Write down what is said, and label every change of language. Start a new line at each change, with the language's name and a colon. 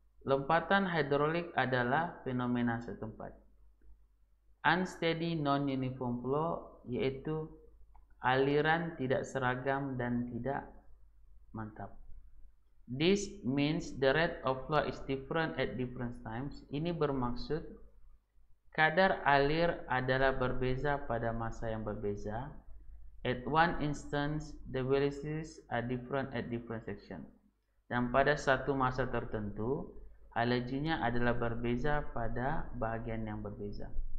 Malay: Lompatan hidrolik adalah fenomena setempat. Unsteady non-uniform flow, yaitu aliran tidak seragam dan tidak mantap.
English: This means the rate of flow is different at different times.
Malay: Ini bermaksud kadar alir adalah berbeza pada masa yang berbeza.
English: At one instance, the velocities are different at different section.
Malay: Dan pada satu masa tertentu, alajunya adalah berbeza pada bagian yang berbeza.